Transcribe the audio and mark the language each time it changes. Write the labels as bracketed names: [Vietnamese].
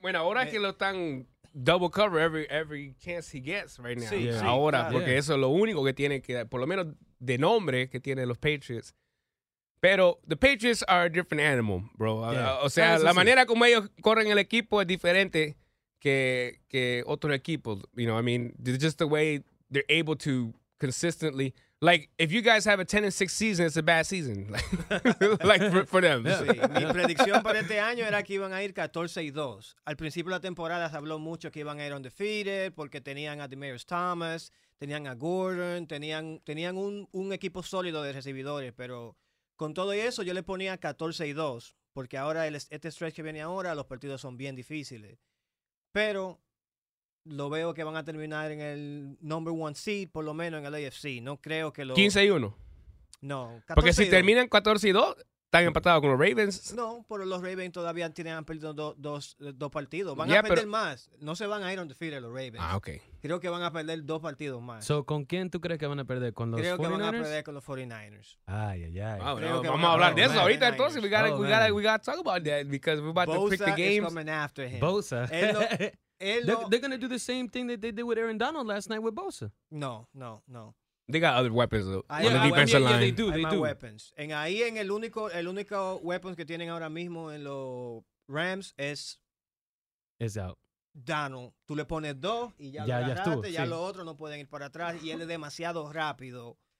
[Spanish] Bueno, ahora que lo están [English] double cover every chance he gets right now. [Spanish] Sí, yeah. Sí, ahora, claro. Porque eso es lo único que tiene que, por lo menos de nombre, que tienen los Patriots. Pero [English] the Patriots are a different animal, bro. [Spanish] Yeah. O sea, sí, la manera como ellos corren el equipo es diferente que otros equipos. [English] You know, I mean, just the way they're able to consistently. Like, if you guys have a 10-6 season, it's a bad season. Like, for them. [Spanish] Sí. Mi predicción para este año era que iban a ir 14-2. Al principio de la temporada se habló mucho que iban a ir undefeated porque tenían a Demaryius Thomas, tenían a Gordon, tenían un equipo sólido de recibidores, pero... Con todo eso, yo le ponía 14-2, porque ahora este stretch que viene ahora, los partidos son bien difíciles. Pero lo veo que van a terminar en el [English] number one seed, [Spanish] por lo menos en el AFC. No creo que lo... 15-1. No, 14-2. Porque si terminan 14-2, están empatados con los Ravens. No, pero los Ravens todavía han perdido dos partidos. Van a perder más. No se van a ir [English] on the field [Spanish] los Ravens. Ah, ok. Creo que van a perder dos partidos más. So, ¿con quién tú crees que van a perder? ¿Con los 49ers? Creo que van a perder con los 49ers. Ay, ay, ay. Wow, no, vamos a hablar de eso ahorita, entonces. [English] We gotta talk about that because we're about Bosa to pick the games. Bosa is coming after him. Bosa. They're going to do the same thing that they did with Aaron Donald last night with Bosa. No. They got other weapons, though, on the defensive line. Yeah, they do. Weapons. [Spanish] En ahí, en el único weapons que tienen ahora mismo en los Rams es... [English] Is out. Donald. [Spanish] Tú le pones dos y ya lo agarraste. Los otros no pueden ir para atrás y él es demasiado rápido.